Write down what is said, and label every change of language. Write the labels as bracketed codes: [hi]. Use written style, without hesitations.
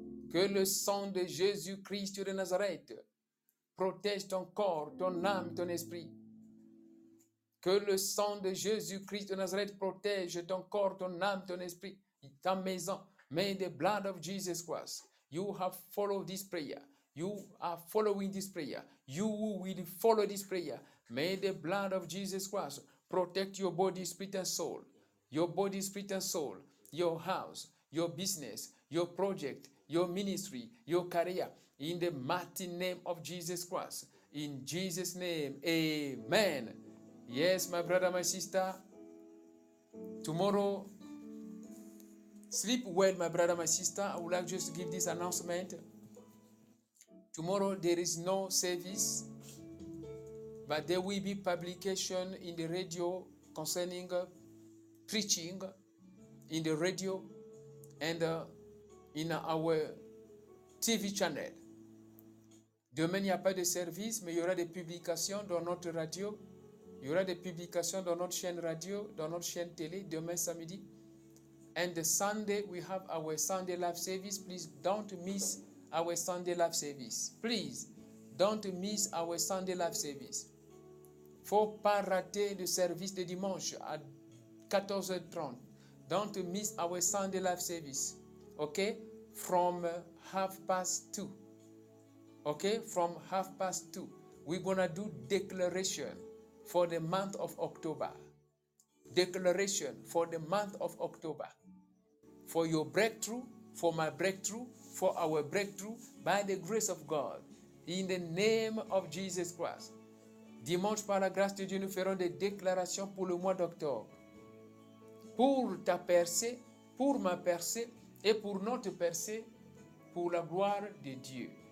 [fr] Que le sang de Jésus Christ de Nazareth protège ton corps, ton âme, ton esprit. Que le sang de Jésus Christ de Nazareth protège ton corps, ton âme, ton esprit, ta maison. [en] May the blood of Jesus Christ, you have followed this prayer. You are following this prayer. You will follow this prayer. May the blood of Jesus Christ protect your body, spirit, and soul. Your body, spirit, and soul. Your house, your business, your project, your ministry, your career. In the mighty name of Jesus Christ. In Jesus' name, amen. Yes, my brother, my sister. Tomorrow, sleep well, my brother, my sister. I would like just to give this announcement. Tomorrow, there is no service, but there will be publication in the radio concerning preaching in the radio and in our TV channel. [fr] Demain, il n'y a pas de service, mais il y aura des publications dans notre radio. Il y aura des publications dans notre chaîne radio, dans notre chaîne télé, demain samedi. [en] And Sunday, we have our Sunday live service. Please don't miss our Sunday live service. Please don't miss our Sunday live service. [fr] Faut pas rater le service de dimanche à 14h30. [en] Don't miss our Sunday live service. OK? From 2:30. OK? From 2:30. We're going to do declaration for the month of October. Declaration for the month of October. For your breakthrough, for my breakthrough, for our breakthrough, by the grace of God, in the name of Jesus Christ. [fr] Dimanche, par la grâce de Dieu, nous ferons des déclarations pour le mois d'octobre. Pour ta percée, pour ma percée, et pour notre percée, pour la gloire de Dieu.